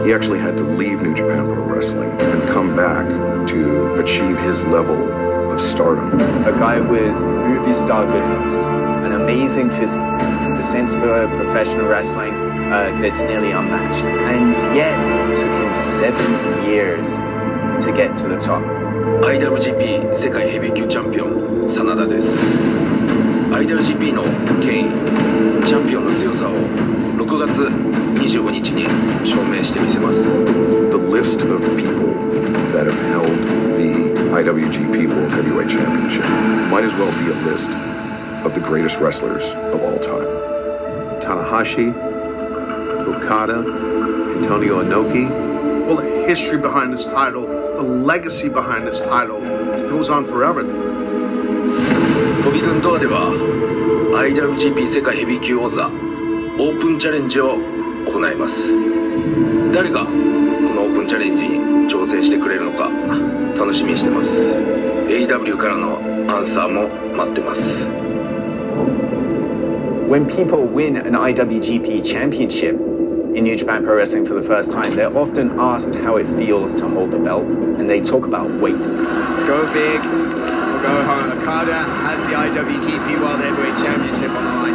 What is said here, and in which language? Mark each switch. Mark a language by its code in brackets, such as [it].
[en] He actually had to leave New Japan Pro Wrestling and come back to achieve his level of stardom. A guy with movie star goodness, an amazing physique, the sense for professional wrestling that's nearly unmatched. And yet, it took him 7 years to get to the top. [ja] IWGP 世界ヘビー級チャンピオン、サナダです。 IWGP の権威、チャンピオンの強さを6月25日に証明してみせます。 [en] The list of people that have held the IWGP World Heavyweight Championship might as well be a list of the greatest wrestlers of all time. Tanahashi, Okada, Antonio Inoki. Well, the history behind this title, the legacy behind this title, it goes on forever. [ja] トビドンドアでは IWGP 世界ヘビー級王座オープンチャレンジを行います。誰がこのオープンチャレンジに挑戦してくれるのか楽しみにしてます。 AW からのアンサーも待ってます。 [en] When people win an IWGP championship in New Japan Pro Wrestling for the first time, they're often asked how it feels to hold the belt, and they talk about weight. Go big! Okada has the IWGP World Heavyweight Championship on the line.